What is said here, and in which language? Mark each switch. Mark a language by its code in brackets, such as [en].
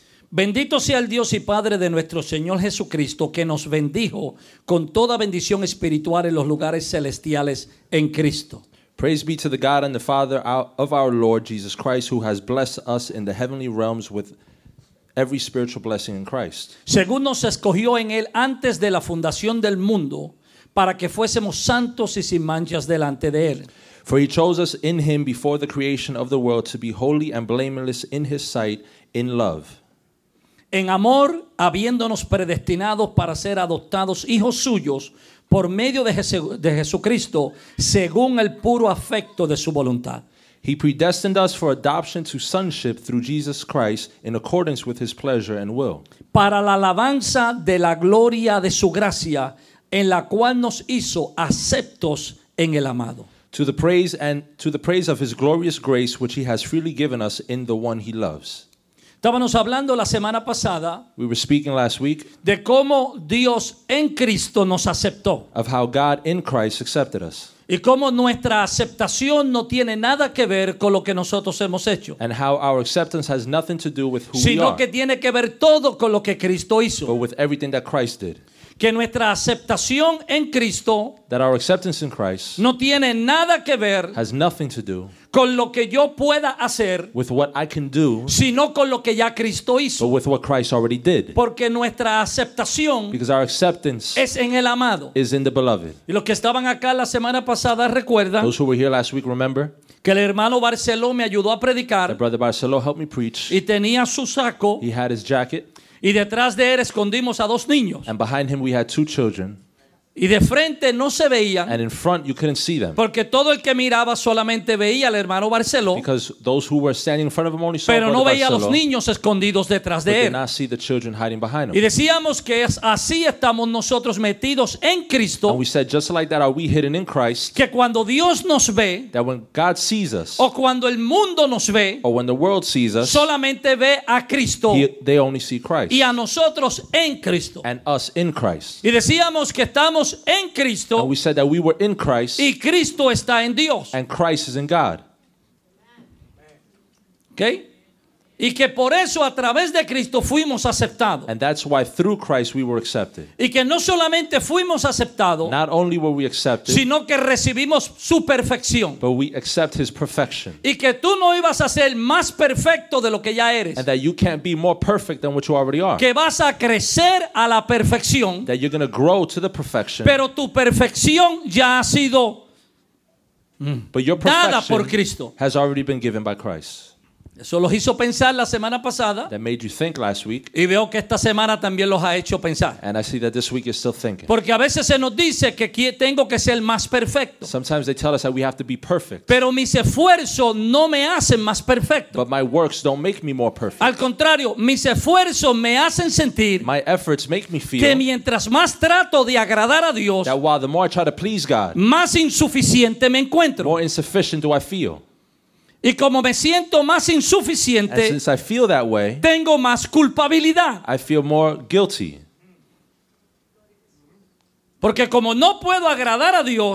[es] Bendito sea el Dios y Padre de nuestro Señor Jesucristo, que nos bendijo con toda bendición espiritual en los lugares celestiales en Cristo. [en] Praise be to the God and the Father of our Lord Jesus Christ, who has blessed us in the heavenly realms with every spiritual blessing in Christ. [es] Según nos escogió en él antes de la fundación del mundo, para que fuésemos santos y sin manchas delante de él. [en] For he chose us in him before the creation of the world to be holy and blameless in his sight in love. [es] En amor, habiéndonos predestinados para ser adoptados hijos suyos por medio de Jesucristo, según el puro afecto de su voluntad. [en] He predestined us for adoption to sonship through Jesus Christ in accordance with his pleasure and will. [es] Para la alabanza de la gloria de su gracia, en la cual nos hizo aceptos en el amado. [en] To the praise of his glorious grace, which he has freely given us in the one he loves. [es] Estábamos hablando la semana pasada. [en] We were speaking last week. [es] De cómo Dios en Cristo nos aceptó. [en] Of how God in Christ accepted us. [es] Y cómo nuestra aceptación no tiene nada que ver con lo que nosotros hemos hecho. [en] And how our acceptance has nothing to do with who we are. [es] Sino que tiene que ver todo con lo que Cristo hizo. [en] But with everything that Christ did. [es] Que nuestra aceptación en Cristo. [en] That our acceptance in Christ. [es] No tiene nada que ver. [en] Has nothing to do. [es] Con lo que yo pueda hacer, [en] with what I can do, [es] sino con lo que ya Cristo hizo, [en] but with what Christ already did. [es] Porque nuestra aceptación, [en] because our acceptance, [es] es en el amado, [en] is in the beloved. [es] Y los que estaban acá la semana pasada recuerdan, [en] those who were here last week remember, [es] que el hermano Barceló me ayudó a predicar, [en] that brother Barceló helped me preach, [es] y tenía su saco, [en] he had his jacket, [es] y detrás de él escondimos a dos niños, [en] and behind him we had two children. [es] Y de frente no se veían. [en] And in front you couldn't see them. [es] Porque todo el que miraba solamente veía al hermano Barceló. [en] Because those who were standing in front of him only saw [es] Pero no veía Barceló, los niños escondidos detrás de él. [en] But did not see the children hiding behind him. [es] Y decíamos que así estamos nosotros metidos en Cristo. [en] And we said just like that are we hidden in Christ. [es] Que cuando Dios nos ve. [en] That when God sees us. [es] O cuando el mundo nos ve. [en] Or when the world sees us. [es] Solamente ve a Cristo. [en] They only see Christ. [es] Y a nosotros en Cristo. [en] And us in Christ. [es] Y decíamos que estamos en Cristo. [en] And we said that we were in Christ. [es] Y Cristo está en Dios. [en] And Christ is in God. Okay? [es] Y que por eso a través de Cristo fuimos aceptados. [en] And that's why through Christ we were accepted. [es] Y que no solamente fuimos aceptados. [en] Not only were we accepted. [es] Sino que recibimos su perfección. [en] But we accept his perfection. [es] Y que tú no ibas a ser más perfecto de lo que ya eres. [en] And that you can't be more perfect than what you already are. [es] Que vas a crecer a la perfección. [en] That you're going to grow to the perfection. [es] Pero tu perfección ya ha sido dada por Cristo. [en] Has already been given by Christ. [es] Eso los hizo pensar la semana pasada. [en] That made you think last week. [es] Y veo que esta semana también los ha hecho pensar. [en] And I see that this week you're still thinking. [es] Porque a veces se nos dice que tengo que ser más perfecto. [en] Sometimes they tell us that we have to be perfect. [es] Pero mis esfuerzos no me hacen más perfecto. [en] But my works don't make me more perfect. [es] Al contrario, mis esfuerzos me hacen sentir. [en] My efforts make me feel. [es] Que mientras más trato de agradar a Dios. [en] That while the more I try to please God. [es] Más insuficiente me encuentro. [en] More insufficient do I feel. [es] Y como me siento más insuficiente, [en] and since I feel that way, [es] tengo más culpabilidad. [en] I feel more guilty. [es] Porque como no puedo agradar a Dios,